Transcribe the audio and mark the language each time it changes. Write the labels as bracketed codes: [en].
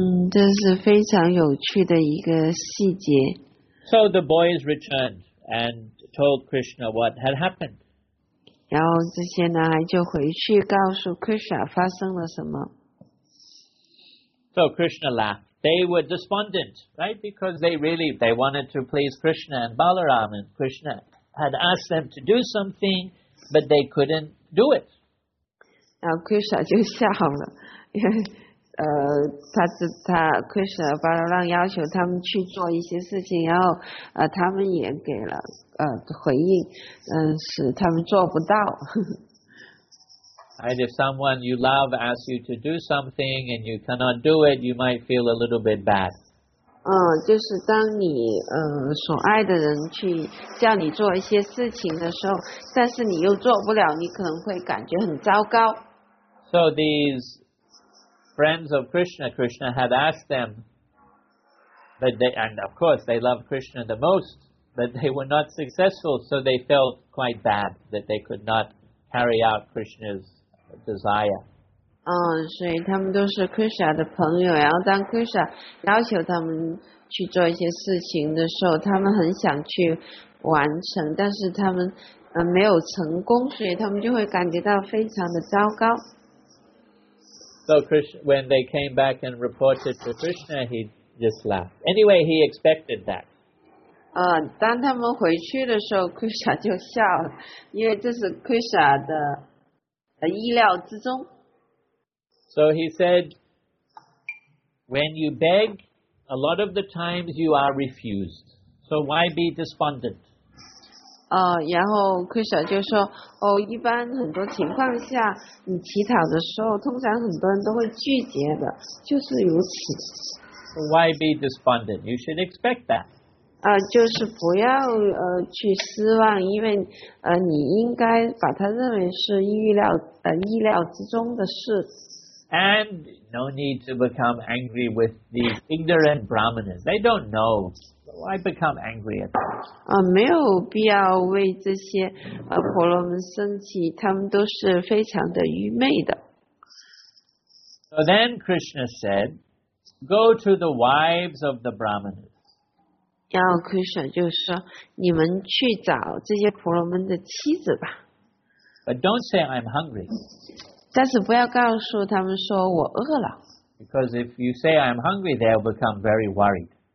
[zh] 这是非常有趣的一个细节。 [en] So the boys returned and told Krishna what had happened. [zh] 然后这些男孩就回去告诉 Krishna 发生了什么。 [en] So Krishna laughed. They were despondent, right? Because they wanted to please Krishna and Balaram, and Krishna had asked them to do something, but they couldn't do it. [zh] 然后 Krishna 就笑了，因为他 Krishna 巴拉浪要求他们去做一些事情，然后他们也给了回应，使他们做不到。 [en] And if someone you love asks you to do something and you cannot do it, you might feel a little bit bad. [zh] 就是当你所爱的人去叫你做一些事情的时候，但是你又做不了，你可能会感觉很糟糕。 [en] So these friends of Krishna had asked them, but they, and of course they loved Krishna the most, but they were not successful, so they felt quite bad that they could not carry out Krishna's desire. [zh] 所以他们都是 Krishna 的朋友，然后当 Krishna 要求他们去做一些事情的时候，他们很想去完成，但是他们没有成功，所以他们就会感觉到非常的糟糕。 [en] So Krishna, when they came back and reported to Krishna, he just laughed. Anyway, he expected that. [zh] 当他们回去的时候 ，Krishna 就笑了，因为这是 Krishna 的意料之中。 [en] So he said, "When you beg, a lot of the times you are refused. So why be despondent?" [zh] 然后 Krishna 就说，一般很多情况下，你乞讨的时候，通常很多人都会拒绝的，就是如此。 [en] So、why be despondent? You should expect that. [zh] 就是不要去失望，因为你应该把它认为是意料之中的事。 [en] And no need to become angry with these ignorant brahmanas. They don't know. Why become angry at them? [zh] 没有必要为这些婆罗门生气，他们都是非常的愚昧的。 [en] So then Krishna said, "Go to the wives of the brahmanas." [zh] 然后 Krishna 就说，你们去找这些婆罗门的妻子吧。 [en] But don't say I'm hungry. [zh] 但是不要告诉他们说我饿了。 [en] Because if you say I'm hungry, they'll become very worried.